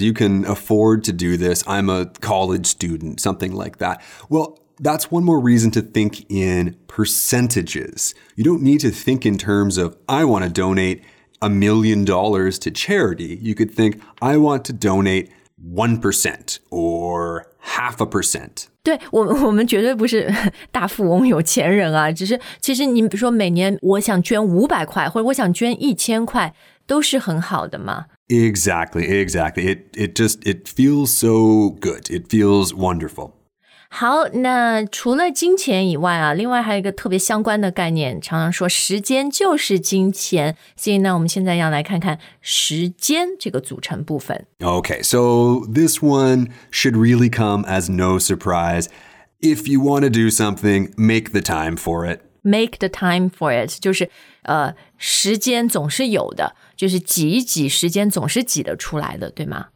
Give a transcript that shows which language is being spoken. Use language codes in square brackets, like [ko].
[en] You can afford to do this. I'm a college student, something like that. Well,That's one more reason to think in percentages. You don't need to think in terms of, I want to donate $1 million to charity. You could think, I want to donate 1% or 0.5%. [zh] 对，我们绝对不是大富翁有钱人啊，只是其实你比如说每年我想捐500块或者我想捐1000块都是很好的嘛。 [en] Exactly, exactly. It feels so good. It feels wonderful. [zh] 好，那除了金钱以外啊，另外还有一个特别相关的概念，常常说时间就是金钱，所以呢，我们现在要来看看时间这个组成部分。 [en] Okay, so this one should really come as no surprise. If you want to do something, make the time for it. Make the time for it, [zh] 就是时间总是有的，就是挤一挤，时间总是挤得出来的，对吗？